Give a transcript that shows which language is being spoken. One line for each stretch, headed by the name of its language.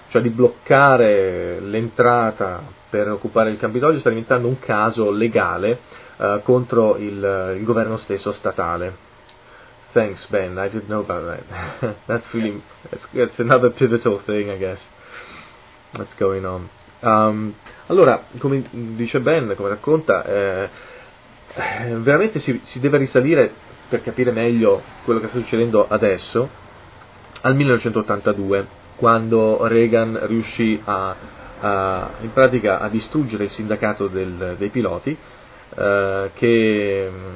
Italian: bloccare l'entrata per occupare il Campidoglio sta diventando un caso legale contro il governo stesso statale.
English: Thanks, Ben, I didn't know about that. That's really, it's another pivotal thing, I guess, that's going on.
Italian: Allora, come dice Ben, come racconta, veramente si deve risalire, per capire meglio quello che sta succedendo adesso, al 1982, quando Reagan riuscì a distruggere il sindacato dei piloti, che